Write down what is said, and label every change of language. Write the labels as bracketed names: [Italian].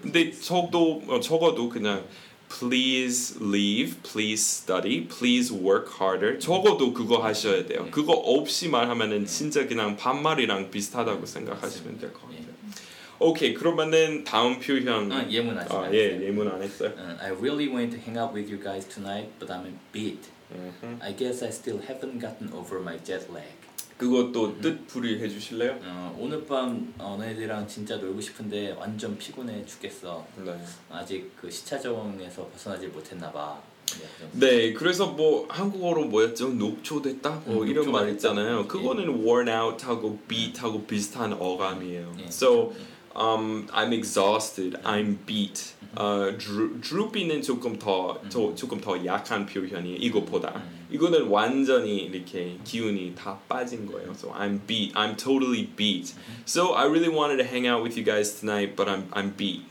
[Korean] 근데 적어도 그냥 [English] please leave, please study, please work harder. [Korean] 적어도 그거 하셔야 돼요. 그거 없이 말하면은 진짜 그냥 반말이랑 비슷하다고 생각하시면 될 것 같아요. 오케이 그러면은 다음 표현 예문 아직 예 예문 안 했어요. [English] I really wanted to hang out with you guys tonight, but I'm a bit. I guess I still haven't gotten over my jet lag. [Korean] 그것도 뜻 풀이해 주실래요? 오늘 밤 너네들이랑 진짜 놀고 싶은데 완전 피곤해 죽겠어. 네. 아직 그 시차 적응에서 벗어나질 못했나 봐. 네, 그래서 뭐 한국어로 뭐였죠? 녹초됐다? 뭐 이런 말 있잖아요. 그거는 예. worn out하고 beat하고 비슷한 어감이에요. 예. [English] So, I'm exhausted, I'm beat. [Korean] Droopy는 조금 더, 조금 더 약한 표현이에요, 이거보다. 이거는 완전히 이렇게 기운이 다 빠진 거예요. [English] So, I'm beat, I'm totally beat. So, I really wanted to hang out with you guys tonight, but I'm beat.